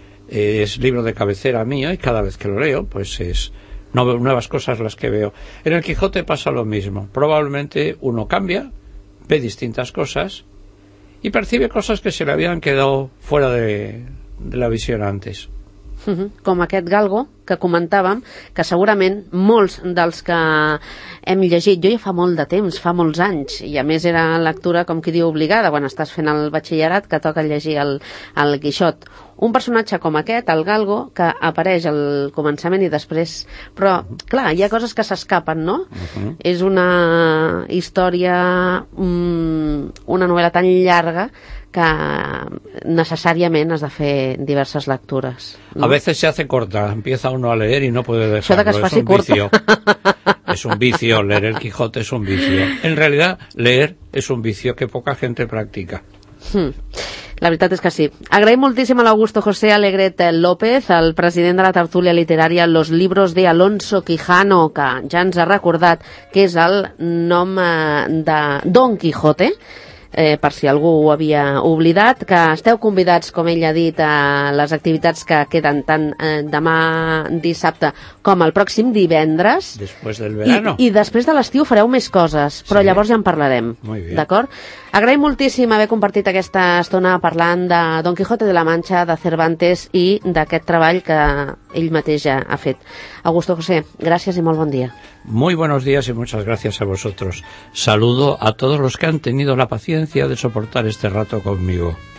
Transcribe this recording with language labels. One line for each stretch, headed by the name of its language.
Spanish: Es libro de cabecera mío y cada vez que lo leo, pues es nuevas cosas las que veo. En el Quijote pasa lo mismo. Probablemente uno cambia, ve distintas cosas y percibe cosas que se le habían quedado fuera de la visión antes.
Catalan: Com aquest galgo que comentàvem, que segurament molts dels que hem llegit, jo ja fa molt de temps, fa molts anys, i a més era lectura, com qui diu, obligada, quan estàs fent el batxillerat, que toca llegir el Quixot. Un personatge com aquest, el galgo, que apareix al començament i després... Però, clar, hi ha coses que s'escapen, no? Uh-huh. És una història, una novel·la tan llarga, que necessàriament has de fer diverses lectures. No?
Spanish: A veces se hace corta, empieza uno a leer y no puede dejarlo.
Catalan: Això de que es faci curta. Vicio.
Spanish: Es un vicio, leer el Quijote es un vicio. En realidad, leer es un vicio que poca gente practica.
Catalan: La veritat és que sí. Agraïm moltíssim a l'Augusto José Alegret López, el president de la tertúlia literària Los Libros de Alonso Quijano, que ja ens ha recordat que és el nom de Don Quijote, per si algú ho havia oblidat, que esteu convidats, com ell ha dit, a les activitats que queden tant demà dissabte com el pròxim divendres. Després del verano. I després de l'estiu fareu més coses, però sí. Llavors ja en parlarem.
Spanish: Muy bien.
Catalan: D'acord? Agraïm moltíssim haver compartit aquesta estona parlant de Don Quijote de la Mancha, de Cervantes i d'aquest treball que ell mateix ja ha fet. Augusto José, gràcies i molt bon dia.
Spanish: Muy buenos días y muchas gracias a vosotros. Saludo a todos los que han tenido la paciencia de soportar este rato conmigo.